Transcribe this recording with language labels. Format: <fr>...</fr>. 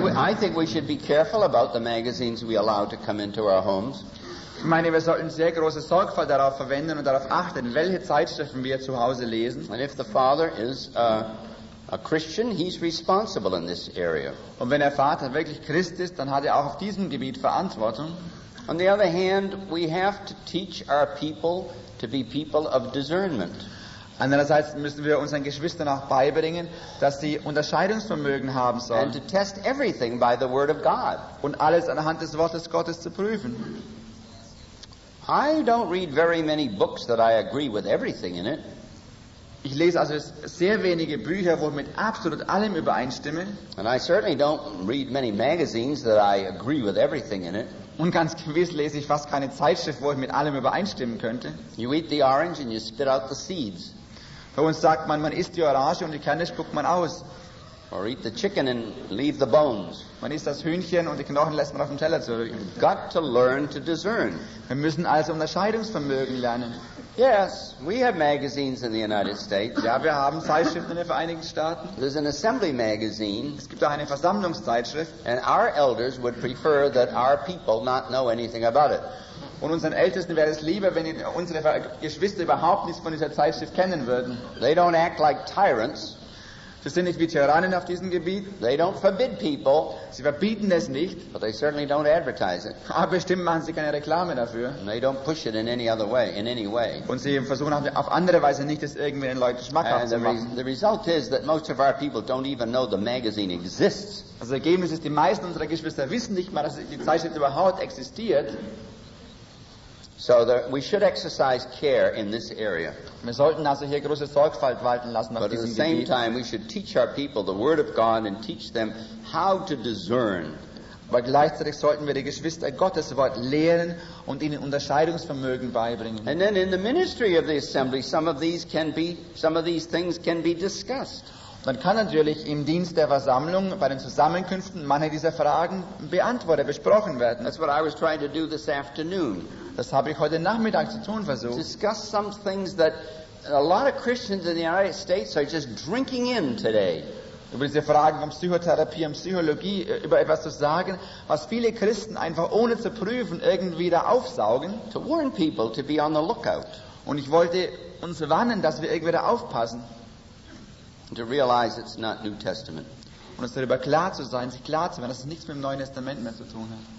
<en>Well, I think we should be careful about the magazines we allow to come into our homes.</en> <de>Ich meine, wir sollten sehr große Sorgfalt darauf verwenden und darauf achten, welche Zeitschriften wir zu Hause lesen.</de> <en>And if the father is a Christian, he's responsible in this area.</en> <de>Und wenn der Vater wirklich Christ ist, dann hat auch auf diesem Gebiet Verantwortung.</de> <en>On the other hand, we have to teach our people to be people of discernment.</en> <de>Andererseits müssen wir unseren Geschwistern auch beibringen, dass sie Unterscheidungsvermögen haben sollen.</de> <en>And to test everything by the word of God.</en> <de>Und alles anhand des Wortes Gottes zu prüfen.</de> <en>I don't read very many books that I agree with everything in it.</en> <de>Ich lese also sehr wenige Bücher, wo ich mit absolut allem übereinstimme.</de> <en>And I certainly don't read many magazines that I agree with everything in it.</en> <de>Und ganz gewiss lese ich fast keine Zeitschrift, wo ich mit allem übereinstimmen könnte.</de> <en>You eat the orange and you spit out the seeds.</en> <de>Bei uns sagt man isst die Orange und die Kerne spuckt man aus.</de> <en>Or eat the chicken and leave the bones.</en> <de>Man isst das Hühnchen und die Knochen lässt man auf dem Teller zurück.</de> <en>You've got to learn to discern.</en> <de>Wir müssen also Unterscheidungsvermögen lernen.</de> <en>Yes, we have magazines in the United States.</en> <de>Ja, wir haben Zeitschriften in den Vereinigten Staaten.</de> <en>There's an assembly magazine.</en> <de>Es gibt auch eine Versammlungszeitschrift.</de> <en>And our elders would prefer that our people not know anything about it.</en> <de>Und unseren Ältesten wäre es lieber, wenn unsere Geschwister überhaupt nichts von dieser Zeitschrift kennen würden.</de> <en>They don't act like tyrants.</en> <de>Sie sind nicht wie Tyrannen auf diesem Gebiet.</de> <en>They don't forbid people.</en> <de>Sie verbieten es nicht.</de> <en>But they certainly don't advertise it.</en> <de>Aber bestimmt machen sie keine Reklame dafür.</de> <en>And they don't push it in any other way, in any way.</en> <de>Und sie versuchen auf andere Weise nicht, es irgendwie den Leuten schmackhaft zu machen.</de> <en>The result is that most of our people don't even know the magazine exists.</en> <de>Also das Ergebnis ist, die meisten unserer Geschwister wissen nicht mal, dass die Zeitschrift überhaupt existiert.</de> <en>So there, we should exercise care in this area.</en> <de>Wir sollten also hier große Sorgfalt walten lassen auf diesem Gebiet.</de> <en>But at the same time, we should teach our people the Word of God and teach them how to discern.</en> <de>Aber gleichzeitig sollten wir die Geschwister Gottes Wort lehren und ihnen Unterscheidungsvermögen beibringen.</de> <en>And then in the ministry of the assembly, some of these things can be discussed.</en> <de>Man kann natürlich im Dienst der Versammlung bei den Zusammenkünften manche dieser Fragen beantwortet, besprochen werden.</de> <en>That's what I was trying to do this afternoon.</en> <de>Das habe ich heute Nachmittag zu tun versucht.</de> <en>Discuss some things that a lot of Christians in the United States are just drinking in today.</en> <de>Über diese Fragen von Psychotherapie und Psychologie, über etwas zu sagen, was viele Christen einfach ohne zu prüfen irgendwie da aufsaugen.</de> <en>To warn people to be on the lookout.</en> <de>Und ich wollte uns warnen, dass wir irgendwie da aufpassen.</de> <en>To realize it's not New Testament.</en> <de>Und uns darüber klar zu sein, sich klar zu werden, dass es nichts mit dem Neuen Testament mehr zu tun hat.</de>